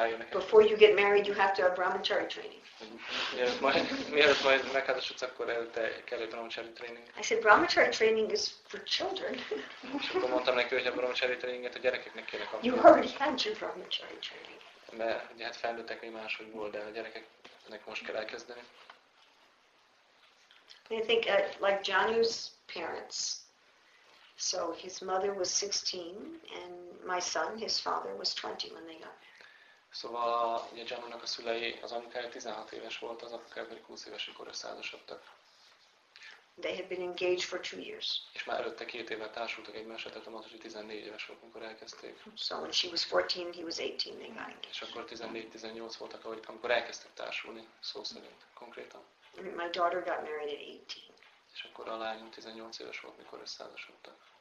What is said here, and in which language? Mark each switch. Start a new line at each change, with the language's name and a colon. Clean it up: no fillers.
English: Before you get married, you have to have brahmachari training.
Hungarian: Mielőtt majd megházasodsz, akkor előtte kell egy brahmachari training.
English: I said brahmachari training is for children.
Hungarian: És akkor mondtam neki, hogy a brahmachari tréninget a gyerekeknek kéne kapni.
English: You already had your brahmachari training.
Hungarian: Mert ugye hát felnőttek még máshogy volt, de a gyerekeknek most kell elkezdeni.
English: I think like Janu's parents. So his mother was 16 and my son, his father, was 20 when they got married.
Hungarian: Szóval a Janunak a szülei, az anyukája 16 éves volt, az apukája pedig 20 éves, amikor összeházasodtak.
English: They had been engaged for 2 years.
Hungarian: És már előtte 2 évvel társultak egymásra, tehát a matusi 14 éves volt, amikor elkezdték.
English: So when she was 14, he was 18, they got engaged.
Hungarian: És akkor 14-18 voltak, amikor elkezdtek társulni, szó szerint, konkrétan.
English: My daughter got married at 18.
Hungarian: És akkor a lányom 18 éves volt, mikor összeházasodtak.